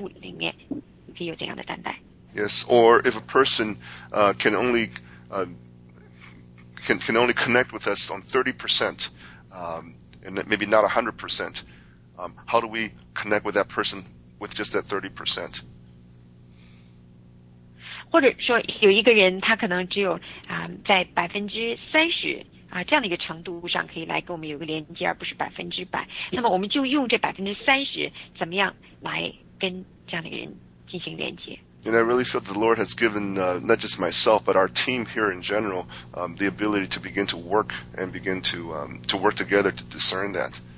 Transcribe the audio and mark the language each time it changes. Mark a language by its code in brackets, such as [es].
[zh] 而是说，在这个过程中，你可以看到，就有些人他也许现在看起来虽然非常的软弱，或者有各样的一些挣扎，但是就今天来讲，他可以在怎样的一个位置，或者说怎么样来建造他，以至于他可以在未来神的国度里面可以有怎样的担待。 [en] Yes, or if a person can only can only connect with us on 30%, and maybe not 100%. How do we connect with that person with just that 30%? [zh] 或者说有一个人他可能只有在30%这样的一个程度上可以来跟我们有个连接，而不是100%。那么我们就用这30%怎么样来跟这样的人进行连接。 [en] And I really feel the Lord has given not just myself but our team here in general the ability to begin to work and begin to work together to discern that.